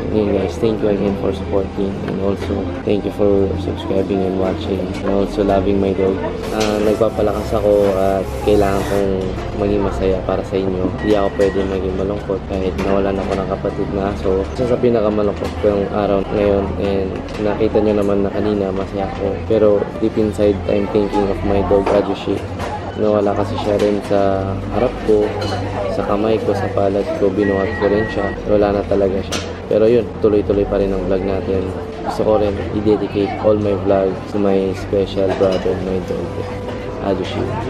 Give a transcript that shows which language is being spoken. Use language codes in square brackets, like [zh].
[en] Anyway guys, thank you again for supporting and also thank you for subscribing and watching and also loving my dog. [tl] Nagpapalakas ako at kailangan kong maging masaya para sa inyo. Hindi ako pwede maging malungkot kahit nawalan ako ng kapatid na aso. Isa sa pinakamalungkot ko yung araw ngayon and nakita nyo naman na kanina masaya ako. [en] Pero deep inside, I'm thinking of my dog, Sergio Shin. [tl] Nawala kasi siya rin sa harap ko, sa kamay ko, sa palad ko, binuhat ko rin siya. Wala na talaga siya. Pero yun, tuloy-tuloy pa rin ang vlog natin. Gusto ko rin i-dedicate [en] all my vlogs to my special brother, my dog, Sergio Shin.